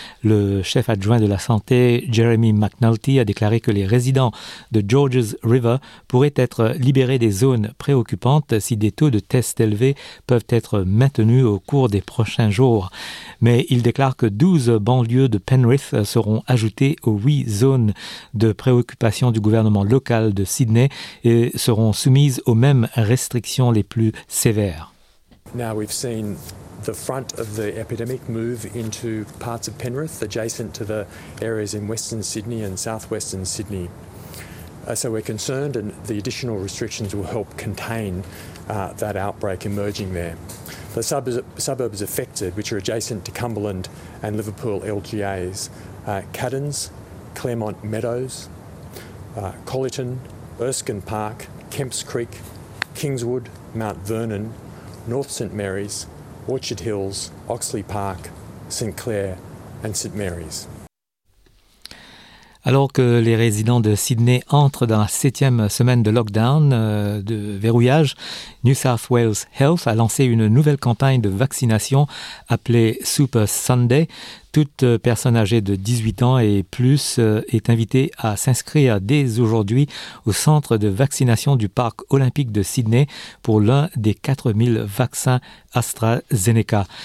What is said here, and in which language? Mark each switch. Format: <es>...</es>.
<fr>Le chef adjoint de la santé, Jeremy McNulty, a déclaré que les résidents de Georges River pourraient être libérés des zones préoccupantes si des taux de tests élevés peuvent être maintenus au cours des prochains jours. Mais il déclare que 12 banlieues de Penrith seront ajoutées aux 8 zones de préoccupation du gouvernement local de Sydney et seront soumises aux mêmes restrictions les plus sévères.</fr> <en>Now we've seen the front of the epidemic move into parts of Penrith adjacent to the areas in Western Sydney and Southwestern Sydney. So we're concerned and the additional restrictions will help contain that outbreak emerging there. The suburbs affected, which are adjacent to Cumberland and Liverpool LGAs, Cadens, Claremont Meadows, Colleton, Erskine Park, Kemps Creek, Kingswood, Mount Vernon, North St Mary's, Orchard Hills, Oxley Park, St Clair and St Mary's.</en> <fr>Alors que les résidents de Sydney entrent dans la 7e semaine de lockdown, de verrouillage, New South Wales Health a lancé une nouvelle campagne de vaccination appelée Super Sunday. Toute personne âgée de 18 ans et plus est invitée à s'inscrire dès aujourd'hui au centre de vaccination du parc olympique de Sydney pour l'un des 4000 vaccins AstraZeneca.</fr>